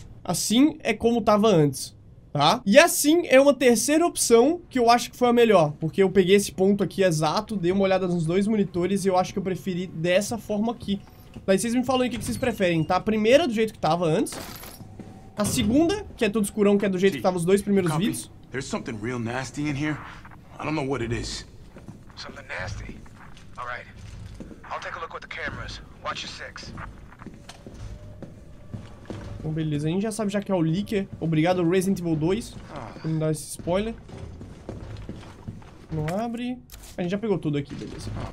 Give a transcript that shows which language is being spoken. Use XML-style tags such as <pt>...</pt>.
<pt>Assim é como tava antes, tá? E assim é uma terceira opção que eu acho que foi a melhor. Porque eu peguei esse ponto aqui exato, dei uma olhada nos dois monitores e eu acho que eu preferi dessa forma aqui. Daí vocês me falam aí o que vocês preferem, tá? A primeira do jeito que tava antes. A segunda, que é tudo escurão, que é do jeito que tava os dois primeiros vídeos.</pt> <en>There's something real nasty in here. I don't know what it is. Something nasty. All right. I'll take a look with the cameras. Watch your six.</en> <pt>Bom, beleza. A gente já sabe já que é o Licker. Obrigado, Resident Evil 2. Por não dar esse spoiler. Não abre. A gente já pegou tudo aqui, beleza.</pt>